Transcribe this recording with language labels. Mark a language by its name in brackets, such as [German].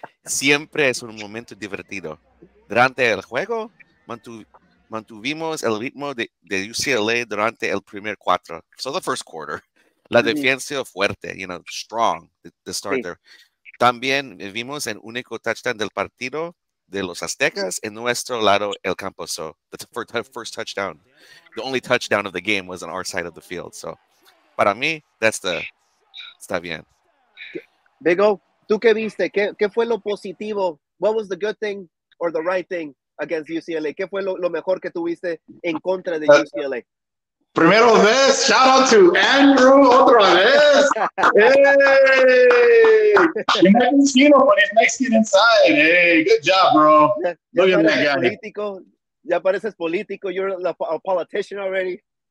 [Spanish] Siempre es un momento divertido. Durante el juego, mantuvimos el ritmo de UCLA durante el primer cuarto. [English] So the first quarter. [Spanish] La defensa fuerte, [English] you know, strong, the starter. Sí. [Spanish] También vimos el único touchdown del partido de los aztecas en nuestro lado el campo. [English] So that's the first touchdown. The only touchdown of the game was on our side of the field. So [Spanish] para mí, [English] that's the... [Spanish] Está bien. Big O, ¿tú qué viste? ¿Qué fue lo positivo? [English] What was the good thing or the right thing against UCLA? [Spanish] ¿Qué fue lo mejor que tuviste en contra de UCLA? Primero vez, [English] shout out to [Spanish] Andrew, otra vez. [English] Hey! You're Mexicano, but he's Mexican inside. Hey, good job, bro. Look at that guy. [Spanish] Político, ya pareces político. [English] You're a politician already.